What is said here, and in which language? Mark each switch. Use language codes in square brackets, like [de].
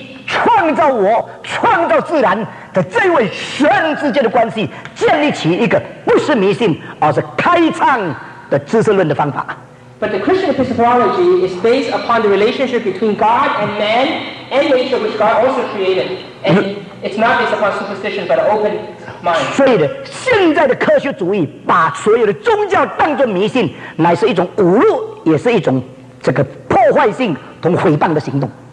[zh] 基督教的知识论是建立在我与自然以及创造我创造自然 的这位玄之间的关系，建立起一个不是迷信，而是开创的知识论的方法。 [en] But the Christian epistemology is based upon the relationship between God and man and nature, which God also created, and it's not based upon superstition but an open mind. [zh] 所以的，现在的科学主义把所有的宗教当作迷信，乃是一种侮辱，也是一种这个破坏性同毁谤的行动。